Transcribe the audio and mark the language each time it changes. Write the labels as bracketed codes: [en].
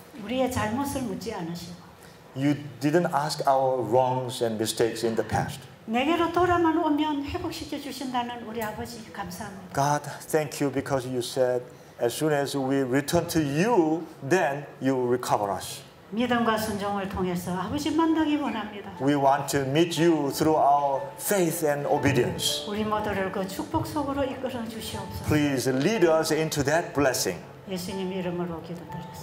[ko] 우리의 잘못을 묻지 않으시고. [en] You didn't ask our wrongs and mistakes in the past. [ko] 내게로 돌아만 오면 회복시켜 주신다는 우리 아버지 감사합니다. [en] God, thank you because you said as soon as we return to you, then you recover us. [ko] 믿음과 순종을 통해서 아버지 만나기 원합니다. [en] We want to meet you through our faith and obedience. [ko] 우리 모두를 그 축복 속으로 이끌어 주시옵소서. [en] Please lead us into that blessing. [ko] 예수님 이름으로 기도드립니다.